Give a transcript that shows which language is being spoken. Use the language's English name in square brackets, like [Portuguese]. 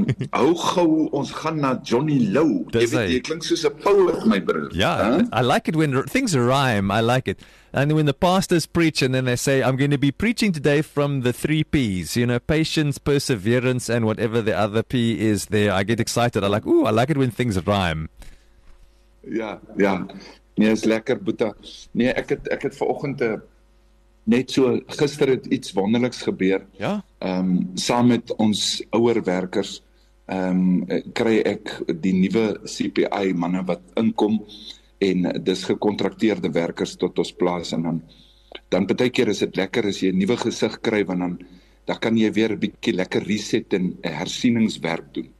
[Afrikaans] Hou gou, ons gaan na Johnny Lowe. Dis jy klink soos 'n poet, my broer. [English] Ja, huh? I like it when things rhyme, I like it. And when the pastors preach and then they say, I'm going to be preaching today from the three P's, you know, patience, perseverance, and whatever the other P is there, I get excited. I like, ooh, I like it when things rhyme. Yeah, yeah. [Afrikaans] Nee, is lekker, Boeta. Nee, ek het vanoggend net so, gister het iets wonderliks gebeur. Ja. Saam met ons ouer werkers kry ek die nuwe CPI manne wat inkom, en dis gekontrakteerde werkers tot ons plaas, en dan baie keer is dit lekker as jy 'n nuwe gesig kry, want dan kan jy weer 'n bietjie lekker reset en hersieningswerk doen.